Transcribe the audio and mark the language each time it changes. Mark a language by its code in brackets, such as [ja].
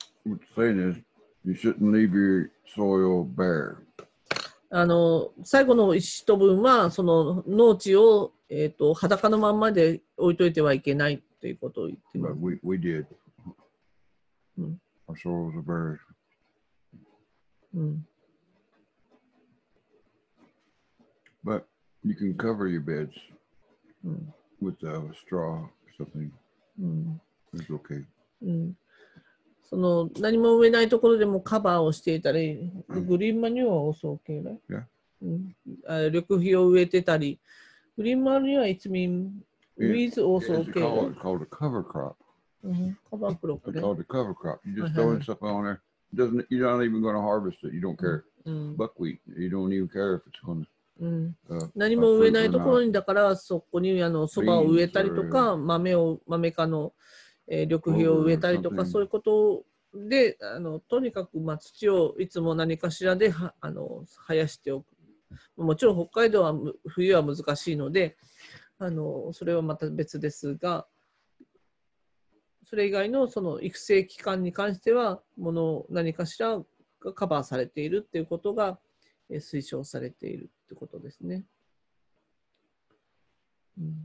[en] What you're saying is, you shouldn't leave your soil bare. [ja] 最後の一文はその農地を、裸のままで置いといてはいけないということを言っています [en] 。 We did. Our soil was a bare. うん。 But you can cover your beds with a straw or something. It's okay. うん。 [ja] その何も植えないところでもカバーをしていたり、グリーンマニュアを送けない。緑肥を植えてたり、グリーンマニュア、 [en] it's mean weeds [ja] を送けない。 [en] It's called a cover crop. [ja] カバークロップ。 [en] It's called a cover crop. You just throwing stuff on there. Doesn't, you're not even going to harvest it. You don't care. Buckwheat. You don't even care if it's going to. [ja] 何も植えないところにだから、そこにそばを植えたりとか、豆科の。緑肥を植えたりとかそういうことで、とにかく、まあ、土をいつも何かしらで生やしておく。もちろん北海道は冬は難しいので、それはまた別ですが、それ以外のその育成期間に関しては何かしらがカバーされているっていうことが推奨されているってことですね。う